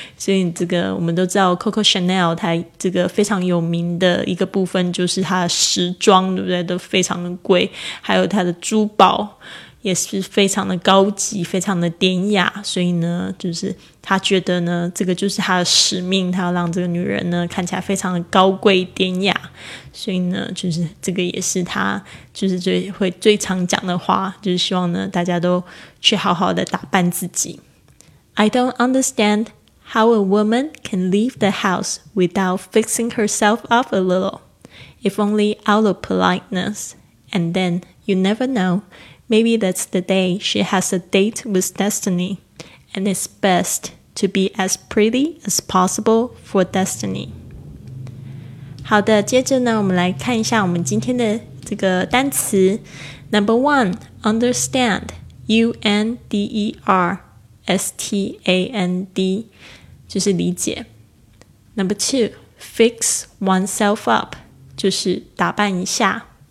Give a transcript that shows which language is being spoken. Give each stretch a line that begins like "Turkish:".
Chinese: 所以这个我们都知道 Coco Chanel 它这个非常有名的一个部分就是它的时装，对不对？都非常的贵，还有它的珠宝也是非常的高级，非常的典雅，所以呢，就是他觉得呢，这个就是他的使命，他要让这个女人呢看起来非常的高贵典雅，所以呢，就是这个也是他就是最常讲的话，就是希望呢大家都去好好的打扮自己。
English: I don't understand how a woman can leave the house without fixing herself up a little, if only out of politeness, and then you never know. Maybe that's the day she has a date with destiny, and it's best to be as pretty as possible for destiny.
Chinese: 好的，接着呢，我们来看一下我们今天的这个单词。
English: Number one, understand, U-N-D-E-R-S-T-A-N-D,
Chinese: 就是理解。
English: Number two, fix oneself up,
Chinese: 就是打扮一下。